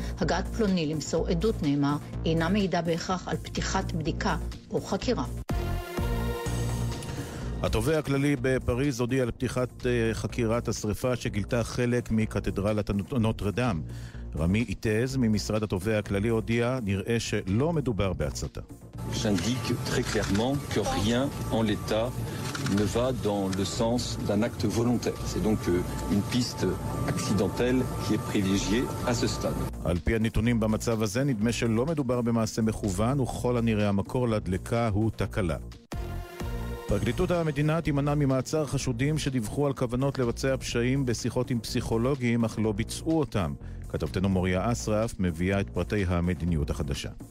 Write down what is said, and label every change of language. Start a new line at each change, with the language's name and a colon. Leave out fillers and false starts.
Hebrew: הגעת פלוני למסור עדות נאמר אינה מעידה בהכרח על פתיחת בדיקה או חקירה. התובע הכללי בפריז הודיע על פתיחת חקירת השריפה שגילתה חלק מקתדרלת נוטרדאם. רמי איטז ממשרד התובע הכללי הודיע, נראה שלא מדובר בהצתה.
French: J'indique très clairement que rien en l'état ne va dans le sens d'un acte volontaire. C'est donc une piste accidentelle qui est privilégiée à ce stade.
Hebrew: על פי הנתונים במצב הזה, נדמה שלא מדובר במעשה מכוון, וכל הנראה המקור לדלקה הוא תקלה. פרקליטות המדינה תימנע ממעצר חשודים שדיווחו על כוונות לבצע פשעים בשיחות עם פסיכולוגים, אך לא ביצעו אותם. כתבתנו מוריה אסרף מביאה את פרטי המדיניות החדשה.